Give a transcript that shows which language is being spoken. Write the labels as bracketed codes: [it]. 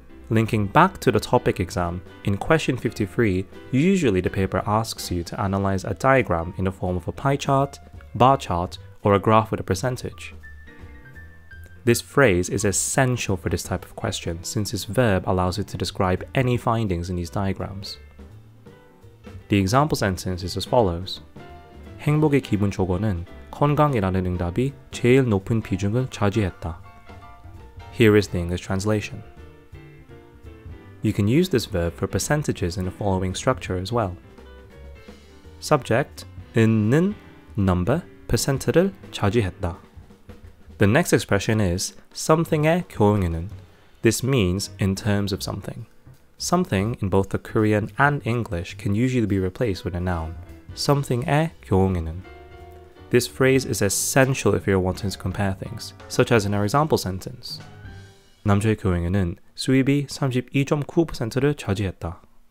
[en] Linking back to the topic exam, in question 53, usually the paper asks you to analyze a diagram in the form of a pie chart, bar chart, or a graph with a percentage. This phrase is essential for this type of question since this verb allows it to describe any findings in these diagrams. The example sentence is as follows. [ko] 행복의 기분 조건은 건강이라는 응답이 제일 높은 비중을 차지했다. [en] Here is the English translation. You can use this verb for percentages in the following structure as well. [ko] Subject, 있는, number, 퍼센트를 차지했다. [en] The next expression is [ko] 성향의 경우에는. [en] This means in terms of something. Something in both the Korean and English can usually be replaced with a noun. [ko] 성향의 경우에는. [en] This phrase is essential if you're wanting to compare things, such as in our example sentence. [ko] 남자의 경우에는 수입이 32.9%를 차지했다.